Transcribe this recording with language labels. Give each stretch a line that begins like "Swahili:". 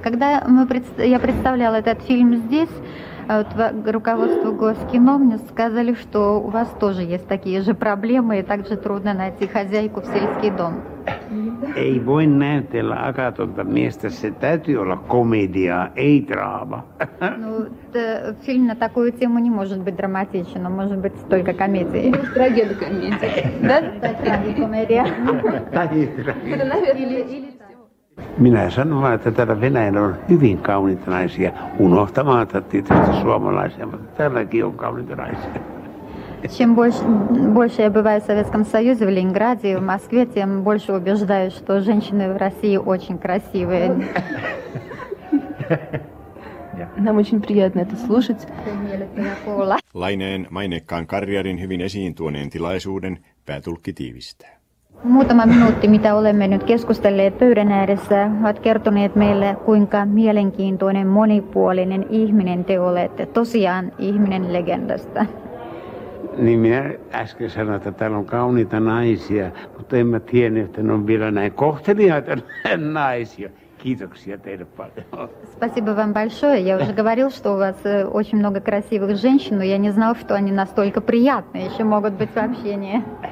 Russian: Когда я представляла этот фильм здесь, руководству Госкино мне сказали, что у вас тоже есть такие же проблемы, и также трудно найти хозяйку в сельский дом.
Finnish: Ei voi näytellä Akatonta miestä, se täytyy olla komedia, ei draama.
Russian: No, film на такую тему не может быть драматичен, но может быть только комедией. Трагедия. Да, трагикомедия.
Finnish: Minä sanon vaan, että täällä Venäjällä on hyvin kauniita naisia, unohtamatta tietysti suomalaisia, mutta täälläkin on kauniita naisia.
Russian: Чем больше я бываю в Советском Союзе, в Ленинграде, в Москве, тем больше убеждаюсь, что женщины в России очень красивые. Нам очень приятно это слушать.
Finnish: Лайнеен майнеккан карьерин hyvin esiin tuoneen tilaisuuden päätulkki tiivistää. Muutama minuutti, mitä olemme nyt keskustelleet pöydän ääressä, ovat kertoneet meille, kuinka mielenkiintoinen, monipuolinen ihminen te olette. Tosiaan ihminen legendasta. Niin minä äsken sanoin, että täällä on kauniita naisia, mutta en mä tiennyt, että ne on vielä näin kohteliaita naisia. Kiitoksia teille paljon.
Russian: Спасибо вам большое. Я уже говорил, что у вас очень много красивых женщин, но я не знал, что они настолько приятные. Еще могут быть в общении.